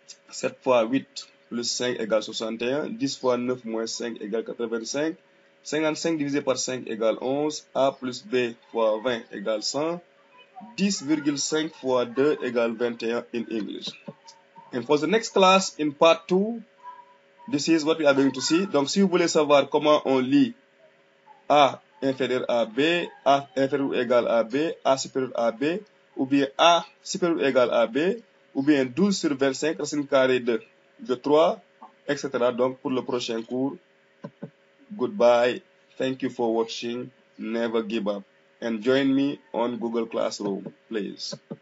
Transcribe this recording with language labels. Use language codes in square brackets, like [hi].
[fr] 7 fois 8 plus 5 égale 61. 10 fois 9 moins 5 égale 85. 55 divisé par 5 égale 11. A plus B fois 20 égale 100. 10,5 fois 2 égale 21 [en] in English. And for the next class in part 2, this is what we are going to see. [fr] Donc, si vous voulez savoir comment on lit A inférieur à B, A inférieur égal à B, A supérieur à B, ou bien A supérieur égal à B, ou bien 12 sur 25, racine carrée de 3, etc. Donc, pour le prochain cours, [en] goodbye. Thank you for watching. Never give up. And join me on Google Classroom, please.